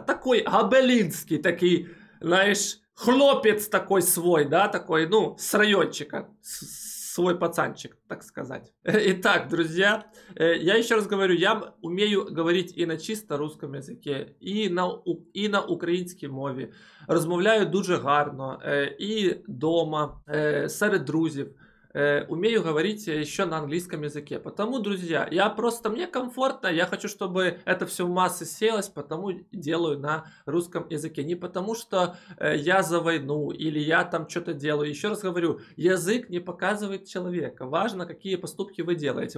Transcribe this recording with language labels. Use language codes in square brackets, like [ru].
[ru] Такой гобелинский, такой, знаешь, хлопец такой свой, да, такой, ну, с райончика. Свой пацанчик, так сказать. Итак, друзья, я еще раз говорю, я умею говорить и на чисто русском языке, и на украинской мове. [uk] Розмовляю дуже гарно, и дома, серед друзів. [ru] Умею говорить еще на английском языке. Потому, друзья, я просто, мне комфортно, я хочу, чтобы это все в массы селось, потому делаю на русском языке. Не потому, что я за войну, или я там что-то делаю. Еще раз говорю, язык не показывает человека. Важно, какие поступки вы делаете.